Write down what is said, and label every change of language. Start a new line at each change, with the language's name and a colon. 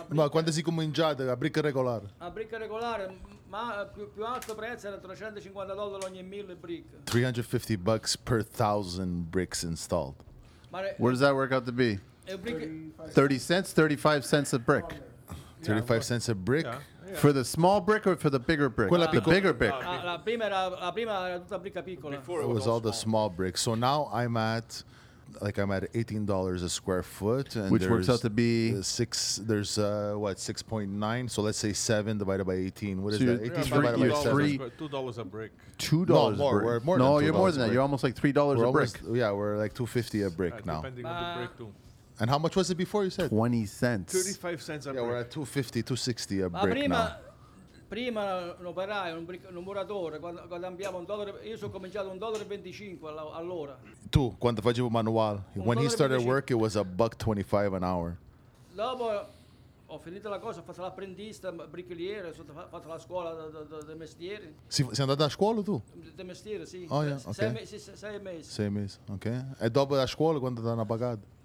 Italian: Quando si cominciato la brick regolare? A brick regolare, ma più alto prezzo era $350 ogni 1000 brick.
English: $350 per 1000 bricks installed. Where does that work out to be? 30 cents, 35 cents a brick. Yeah, 35 cents a brick. Yeah, yeah. For the small brick or for the bigger brick?
Italian: Quella
English: the bigger brick.
Italian: La prima era tutta bricca piccola.
English: Before it was all the small bricks. So now I'm at, like, I'm at $18 a square foot, and which works out to be six. There's what, 6.9? So let's say 7 divided by 18. What is that? $2 a brick. $2 more, a brick. We're more no, than you're more than that. You're almost like $3 we're a brick. Almost, yeah, we're like $2.50 a brick now. Depending on the brick too. And how much was it before you said? 20 cents. 35 cents a yeah, brick. Yeah, we're at 250, 260 a brick
Italian: prima,
English: now.
Italian: Prima, un operaio, un muratore, quando abbiamo un dollaro, io sono cominciato un dollaro e 25 all'ora. Tu, quando facevo manuale,
English: when he started work, it was $1.25 an hour.
Italian: Dopo ho finito la cosa, ho fatto l'apprendista, bricoliere, ho fatto la scuola del mestiere. Sei andato a scuola tu? Del mestiere, sì.
English: Oh, yeah, ok.
Italian: Sei mesi. 6 mesi, ok. E dopo la scuola, quando ti hanno pagato?